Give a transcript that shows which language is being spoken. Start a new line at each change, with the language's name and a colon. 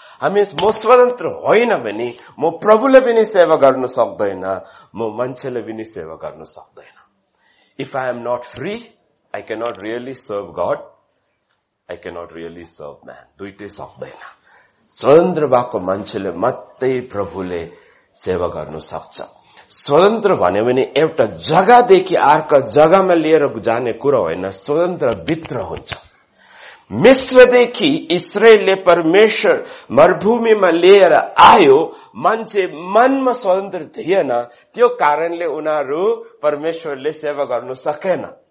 Nepali: हामी म स्वतन्त्र होइन भने म प्रभुले पनि सेवा गर्न सक्दैन, म मान्छेले पनि सेवा गर्न सक्दैन।
English: if I am not free I can not really serve God, I can not really serve man,
Nepali: दुइटै सक्दैन। स्वतन्त्र भएको मान्छेले मात्रै प्रभुले सेवा गर्नु सक्छ। स्वतन्त्र भन्यो भने एउटा जग्गादेखि अर्को जग्गामा लिएर जाने कुरो होइन, स्वतन्त्र भित्र हुन्छ। मिश्रदेखि इसरायलले परमेश्वर मरुभूमिमा लिएर आयो, मान्छे मनमा स्वतन्त्र थिएन, त्यो कारणले उनीहरू परमेश्वरले सेवा गर्नु सकेन।